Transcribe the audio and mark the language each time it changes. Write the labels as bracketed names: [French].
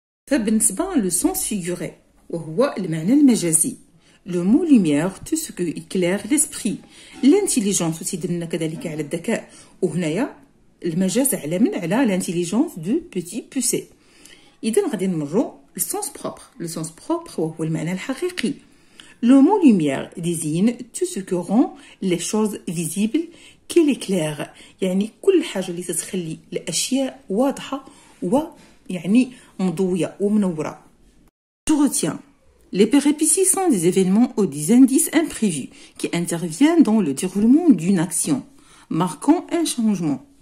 [Arabic] فبالنسبه لو سونس فيغوري وهو المعنى المجازي لو مو لوميير تو سو كو ايكلير لسبري لانتيليجونس وتيدلنا كذلك على الذكاء وهنايا المجاز اعلى من على لانتيليجونس دو بيتي بوسي. إذن غادي نمرو [French] le sens propre ou le [Arabic] معنى الحقيقي. [French] Le mot lumière désigne tout ce que rend les choses visibles qu'il éclaire. [Arabic] يعني كل حاجة اللي تتخلي الأشياء واضحة ويعني مضوية ومنورة. [French] Je retiens. Les péripéties sont des événements ou des indices imprévus qui interviennent dans le déroulement d'une action, marquant un changement.